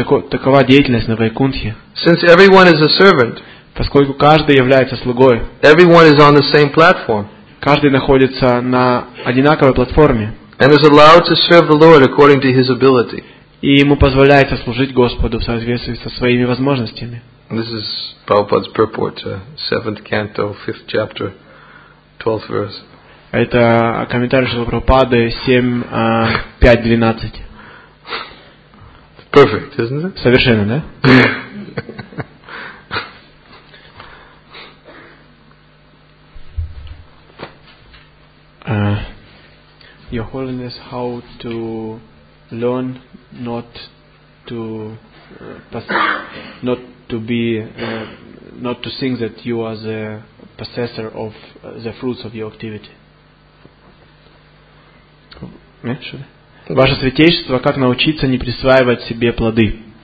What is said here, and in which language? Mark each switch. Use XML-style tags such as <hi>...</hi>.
<ru>Такова деятельность на Вайкунтхе.</ru> <en>Since everyone is a servant,</en> <ru>поскольку каждый является слугой,</ru> <en>everyone is on the same platform.</en> <ru>Каждый находится на одинаковой платформе.</ru> <en>And is allowed to serve the Lord according to his ability.</en> <ru>И ему позволяется служить Господу в соответствии со своими возможностями.</ru> <en>This is Prabhupada's purport, 7th canto, 5th chapter, 12th verse.</en> <ru>Это комментарий Шрилы Прабхупады 7.5.12.</ru> <en>Perfect, isn't it?</en> <ru>Совершенно, да?</ru> <en>Your Holiness, how to learn not to think that you are the possessor of the fruits of your activity?</en> <ru>Ваше святейшество, как научиться не присваивать себе плоды?</ru>